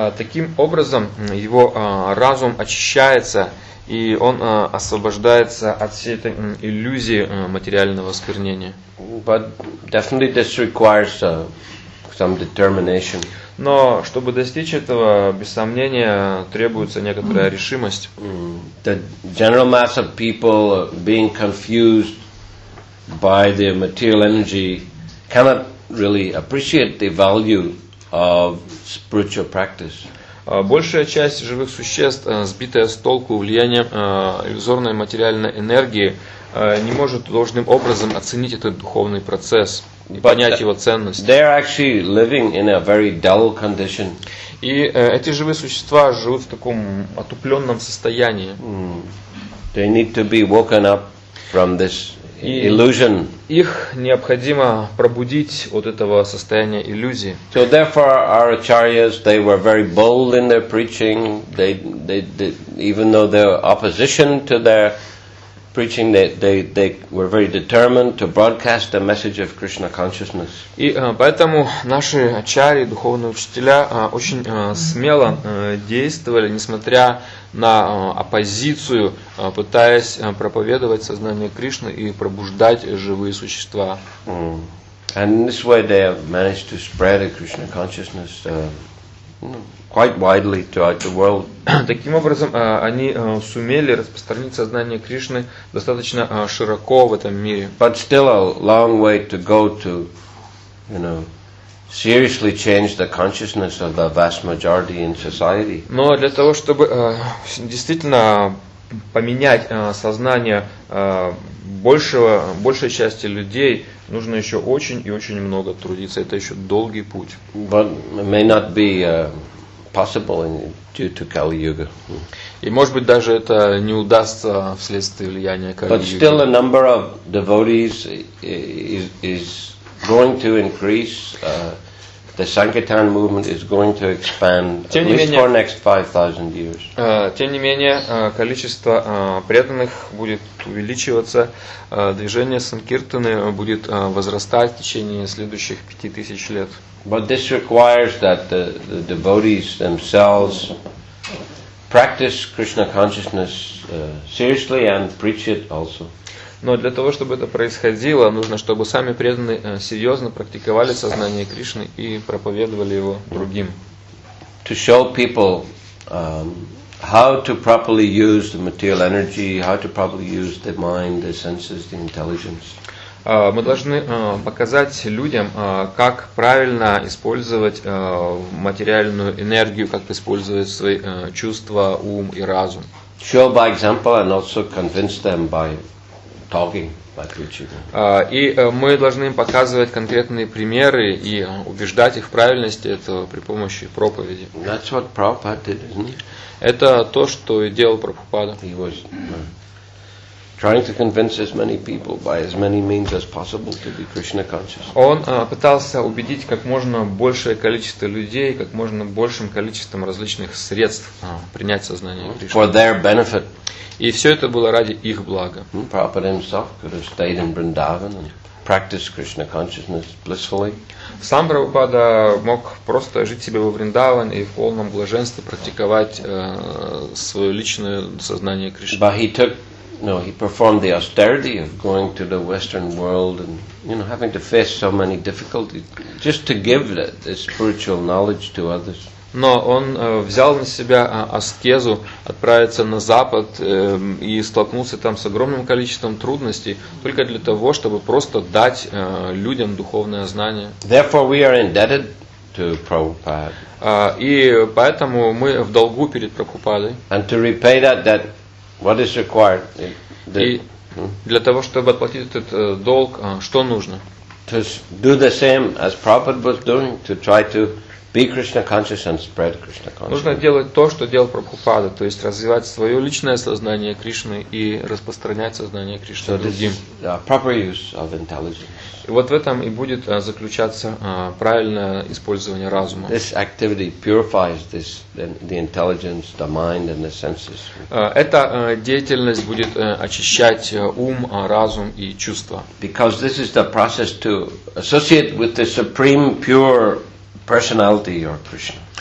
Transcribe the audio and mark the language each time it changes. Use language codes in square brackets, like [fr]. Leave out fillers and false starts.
[ru] Таким образом, его разум очищается, и он освобождается от всей этой иллюзии материального осквернения. [en] But definitely this requires some determination. [ru] Но чтобы достичь этого, без сомнения, требуется некоторая решимость. [en] The general mass of people being confused by their material energy cannot really appreciate the value of spiritual practice. [ru] Большая часть живых существ, сбитая с толку влиянием иллюзорной материальной энергии, не может должным образом оценить этот духовный процесс и понять его ценность. [en] They are actually living in a very dull condition. [ru] И эти живые существа живут в таком отупленном состоянии. [en] They need to be woken up from this illusion. [ru] Их необходимо пробудить от этого состояния иллюзии. [en] So therefore, our acharyas, they were very bold in their preaching. They even though there was opposition to their preaching, they were very determined to broadcast the message of Krishna consciousness. [ru] И поэтому наши ачарьи, духовные учителя, очень смело действовали, несмотря на оппозицию, пытаясь проповедовать сознание Кришны и пробуждать живые существа. [en] And in this way they have managed to spread a Krishna consciousness quite widely throughout the world. [ru] Таким образом, они сумели распространить сознание Кришны достаточно широко в этом мире. [en] But still a long way to go to, you know, seriously change the consciousness of the vast majority in society. [ru] Но для того, чтобы действительно поменять сознание большей части людей, нужно еще очень и очень много трудиться. Это еще долгий путь. [en] But it may not be possible due to Kali Yuga. [ru] И может быть даже это не удастся вследствие влияния Кали-Юги. [en] But still the number of devotees is going to increase. The Sankirtan movement is going to expand at least for next 5,000 years. [ru] Тем не менее, количество преданных будет увеличиваться. Движение Санкиртаны будет возрастать в течение следующих 5,000 лет. [en] But this requires that the devotees themselves practice Krishna consciousness seriously and preach it also. [ru] Но для того, чтобы это происходило, нужно, чтобы сами преданные серьезно практиковали сознание Кришны и проповедовали его другим. [en] To show people how to properly use the material energy, how to properly use the mind, the senses, the intelligence. [ru] Мы должны показать людям, как правильно использовать материальную энергию, как использовать свои чувства, ум и разум. [en] Show by example and also convince them by talking, by preaching. [ru] И мы должны им показывать конкретные примеры и убеждать их в правильности этого при помощи проповеди. [en] That's what Prabhupada did, isn't it? [ru] Это то, что делал Прабхупада. [en] He was trying to convince as many people by as many means as possible to be Krishna conscious. [ru] Он пытался убедить как можно большее количество людей, как можно большим количеством различных средств принять сознание Кришны. [en] For their benefit. [ru] И все это было ради их блага. [en] Prabhupada himself could have stayed in Vrindavan and practiced Krishna consciousness blissfully. [ru] Сам Прабхупада мог просто жить себе во Вриндаване и в полном блаженстве практиковать свое личное сознание Кришны. [en] But he took, no, he performed the austerity of going to the Western world and, you know, having to face so many difficulties just to give the spiritual knowledge to others. [ru] Но он взял на себя аскезу отправиться на Запад и столкнулся там с огромным количеством трудностей только для того, чтобы просто дать людям духовное знание. [en] Therefore we are indebted to Prabhupada. [ru] И поэтому мы в долгу перед Прабхупадой. [en] And to repay that debt, what is required? [ru] И для того, чтобы отплатить этот долг, что нужно? [en] To do the same as Prabhupada was doing, to try to be Krishna conscious and spread Krishna consciousness. [ru] Нужно делать то, что делал Прабхупада, то есть развивать свое личное сознание Кришны и распространять сознание Кришны другим. [en] Proper use of intelligence. [ru] И вот в этом и будет заключаться правильное использование разума. [en] This activity purifies this, the intelligence, the mind and the senses. [ru] Эта деятельность будет очищать ум, разум и чувства. [en] Because this is the process to associate with the supreme pure personality or Krishna.